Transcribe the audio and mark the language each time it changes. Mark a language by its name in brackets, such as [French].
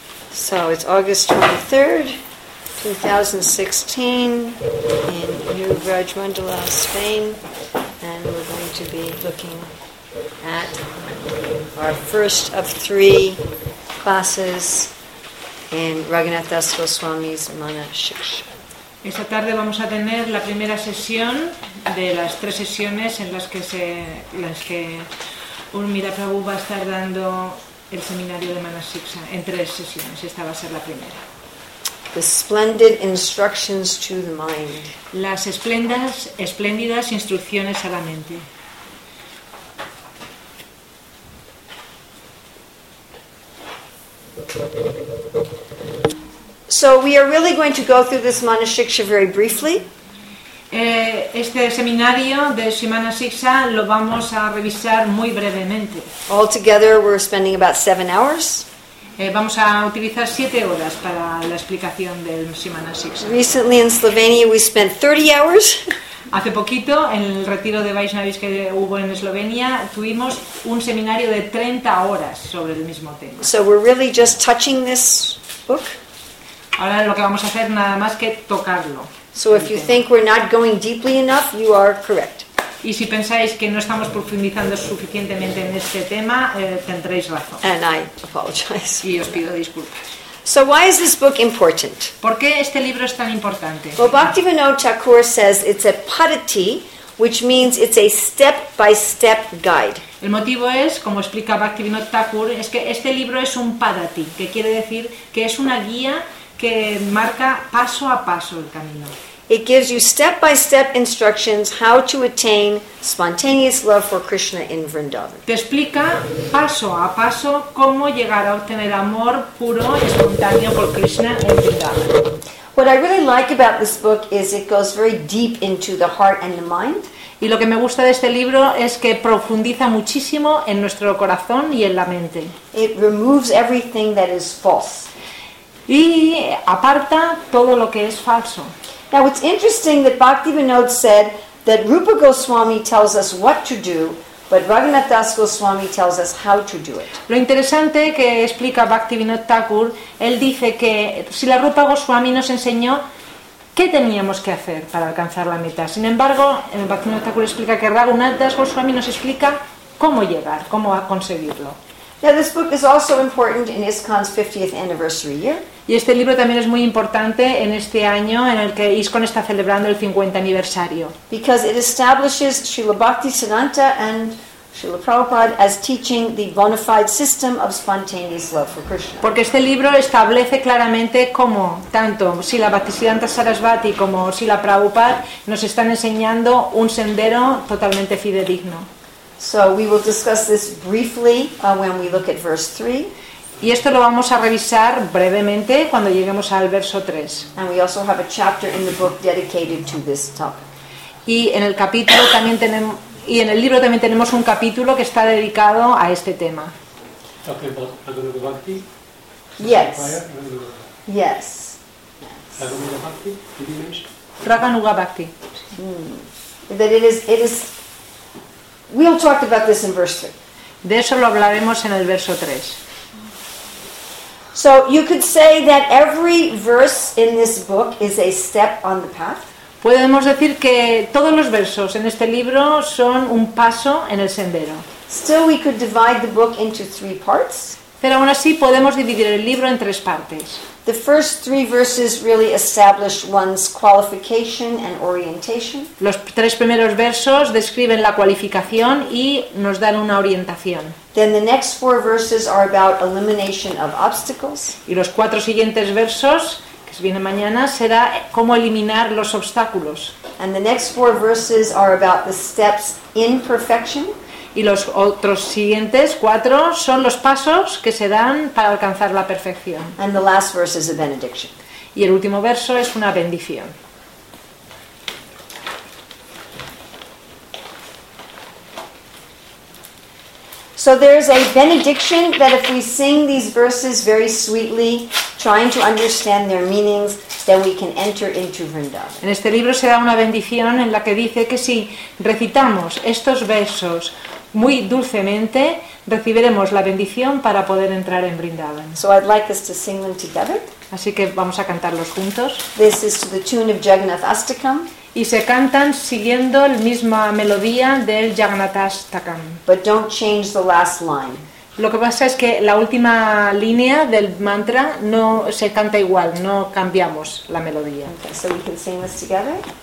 [English] So it's August 23rd, 2016, in New Rajmundala, Spain, and we're going to be looking at our first of three classes in Raghunath Das Goswami's Mana Shiksha. [Spanish] Esta tarde vamos a tener la primera sesión de las tres sesiones en las que Urmila Prabhu va a estar dando el seminario de Mana Shiksha en tres sesiones. Esta va a ser la primera. [English] The splendid instructions to the mind. [Spanish] Las espléndidas instrucciones a la mente. [English] So we are really going to go through this Mana Shiksha very briefly. [Spanish] Este seminario de Mana Shiksha lo vamos a revisar muy brevemente. [English] Altogether, we're spending about 7 hours. [Spanish] Vamos a utilizar 7 horas para la explicación del Mana Shiksha. [English] Recently in Slovenia, we spent 30 hours. [Spanish] Hace poquito, en el retiro de Vaishnavis que hubo en Eslovenia, tuvimos un seminario de 30 horas sobre el mismo tema. [English] So we're really just touching this book. [Spanish] Ahora lo que vamos a hacer nada más que tocarlo. [English] So if you think we're not going deeply enough, you are correct. [Spanish] Y si pensáis que no estamos profundizando suficientemente en este tema, tendréis razón. [English] And I apologize. [Spanish] Y os pido disculpas. [English] So why is this book important? [Spanish] ¿Por qué este libro es tan importante? [English] Well, Bhaktivinoda Thakur says it's a padati, which means it's a step-by-step guide. [Spanish] El motivo es, como explica Bhaktivinoda Thakur, es que este libro es un padati, que quiere decir que es una guía que marca paso a paso el camino. [English] It gives you step-by-step instructions how to attain spontaneous love for Krishna in Vrindavan. [Spanish] Te explica paso a paso cómo llegar a obtener amor puro y espontáneo por Krishna en Vrindavan. [English] What I really like about this book is it goes very deep into the heart and the mind. [Spanish] Y lo que me gusta de este libro es que profundiza muchísimo en nuestro corazón y en la mente. [English] It removes everything that is false. [Spanish] Y aparta todo lo que es falso. [English] Now it's interesting that Bhaktivinoda said that Rupa Goswami tells us what to do, but Raghunath Das Goswami tells us how to do it. [Spanish] Lo interesante que explica Bhaktivinoda Thakur, él dice que si la Rupa Goswami nos enseñó qué teníamos que hacer para alcanzar la meta, sin embargo, Bhaktivinoda Thakur explica que Raghunath Das Goswami nos explica cómo llegar, cómo conseguirlo. [English] Now this book is also important in ISKCON's 50th anniversary year. [Spanish] Y este libro también es muy importante en este año en el que ISKCON está celebrando el 50 aniversario. [English] Because it establishes Srila Bhakti Siddhanta and Srila Prabhupada as teaching the bona fide system of spontaneous love for Krishna. [Spanish] Porque este libro establece claramente cómo tanto Srila Bhakti Siddhanta Sarasvati como Srila Prabhupada nos están enseñando un sendero totalmente fidedigno. [English] So we will discuss this briefly when we look at verse 3. [Spanish] Y esto lo vamos a revisar brevemente cuando lleguemos al verso 3. [English] And we also have a chapter in the book dedicated to this topic. [Spanish] Y en el capítulo también tenemos y en el libro también tenemos un capítulo que está dedicado a este tema. [English] Talking about Raghunatha Bhakti. Yes. Yes. Raghunatha Bhakti. Did you mention? Raghunatha Bhakti. That it is. We'll talk about this in verse 3. [Spanish] De eso lo hablaremos en el verso 3. [English] So you could say that every verse in this book is a step on the path. [Spanish] Podemos decir que todos los versos en este libro son un paso en el sendero. [English] Still, we could divide the book into three parts. [Spanish] Pero aún así podemos dividir el libro en tres partes. [English] The first three verses really establish one's qualification and orientation. [Spanish] Los tres primeros versos describen la cualificación y nos dan una orientación. [English] Then the next four verses are about elimination of obstacles. [Spanish] Y los cuatro siguientes versos, que se viene mañana, será cómo eliminar los obstáculos. [English] And the next four verses are about the steps in perfection. [Spanish] Y los otros siguientes cuatro son los pasos que se dan para alcanzar la perfección. [English] And the last verse is a benediction. [Spanish] Y el último verso es una bendición. [English] So there's a benediction that if we sing these verses very sweetly, trying to understand their meanings, then we can enter into Vrindavan. [Spanish] En este libro se da una bendición en la que dice que si recitamos estos versos muy dulcemente, recibiremos la bendición para poder entrar en Vrindavan. [English] So I'd like us to sing them together. [Spanish] Así que vamos a cantarlos juntos. [English] This is to the tune of Jagannath Astakam. [Spanish] Y se cantan siguiendo la misma melodía del Jagannath Astakam. [English] But don't change the last line. [Spanish] Lo que pasa es que la última línea del mantra no se canta igual, no cambiamos la melodía. [English] Okay, so we can sing this together.